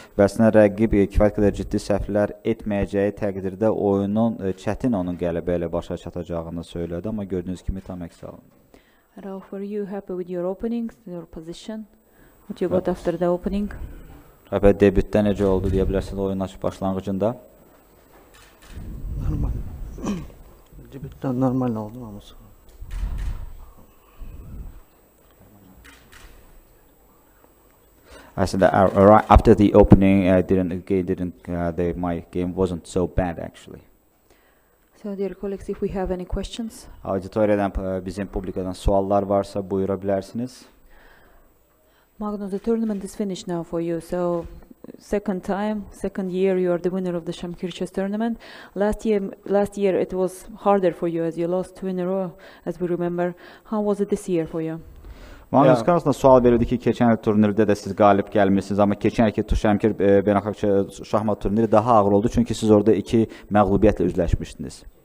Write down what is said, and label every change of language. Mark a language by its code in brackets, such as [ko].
[az] Bəsinə rəqib kifayət qədər ciddi səhvlər etməyəcəyi təqdirdə oyunun çətin onun qələbə ilə başa çatacağını söylədi, amma gördüyünüz kimi tam əks olundu. [en] Rauf, were you happy with your openings, your position? What you got after the opening? [az] Debütdə necə oldu deyə bilərsiniz oyun başlanğıcında? Normal. Debütdən normal oldu ama sonra. [en] I said that after the opening, I didn't the my game wasn't so bad actually. So, dear colleagues, if we have any questions. [az] Auditoriyadan bizim publikadan suallar varsa buyurabilirsiniz. [en] Magnus, the tournament is finished now for you. So, second year you are the winner of the Shamkir Chess Tournament. Last year it was harder for you as you lost two in a row, as we remember. How was it this year for you? [az] Magnus Carlsen'a sual verildi ki keçən il turnirdə də siz qalib gəlmişsiniz ama keçən ilki Şəmkir beynəlxalq şahmat turniri daha ağır oldu çünki siz orada iki məğlubiyyətlə üzləşmişsiniz.